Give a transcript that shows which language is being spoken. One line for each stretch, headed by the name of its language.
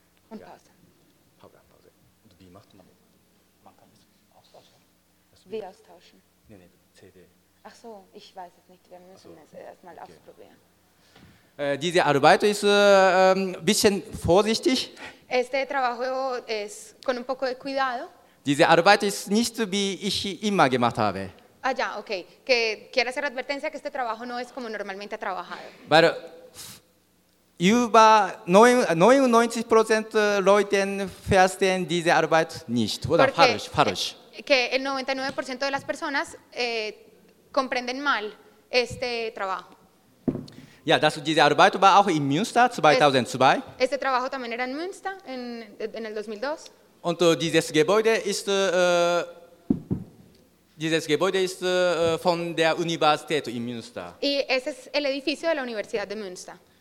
German: Und ja. Pause. Pause. Und wie macht man das? Man kann das austauschen. Wie austauschen? Nee, CD. Ach so, ich weiß es nicht. Wir müssen es erstmal ausprobieren. Diese Arbeit ist ein bisschen vorsichtig.
Spanish: Este trabajo es con un poco de cuidado.
German: Diese Arbeit ist nicht so, wie ich immer gemacht habe. Ah ja, okay.
Spanish: Que quiero hacer advertencia que este trabajo no es como normalmente ha trabajado.
German: Weil über 99% Leuten verstehen diese Arbeit nicht. Oder falsch.
Spanish: Que el 99% de las personas comprenden mal este trabajo.
German: Ja, das, diese Arbeit war auch in Münster 2002.
Spanish: Este trabajo también era en Münster en el 2002.
German: Und dieses Gebäude ist von der Universität in Münster.
Spanish: Y ese es el edificio de la Universidad de Münster.